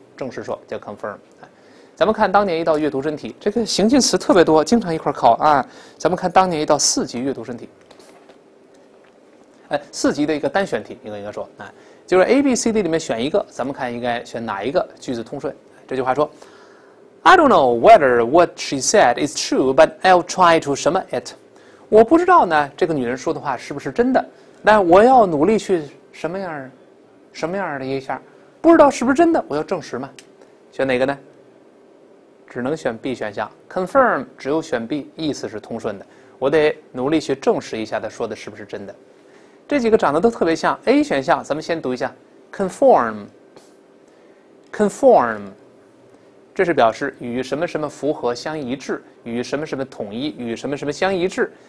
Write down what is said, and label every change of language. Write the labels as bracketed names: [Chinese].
[Chinese] 证实说叫 confirm。咱们看当年一道阅读真题，这个行进词特别多，经常一块考啊。咱们看当年一道四级阅读真题。四级的一个单选题，应该说，就是 A B C D 里面选一个，咱们看应该选哪一个句子通顺。这句话说 [English] ，I don't know whether what she said is true, but I'll try to [Chinese] 什么 [English] it。 [Chinese] 我不知道呢，这个女人说的话是不是真的？那我要努力去什么样的一下，不知道是不是真的，我要证实嘛。选哪个呢？只能选 B 选项 ，confirm 只有选 B， 意思是通顺的。我得努力去证实一下她说的是不是真的。这几个长得都特别像 A 选项，咱们先读一下 conform， 这是表示与什么什么符合相一致，与什么什么统一，与什么什么相一致。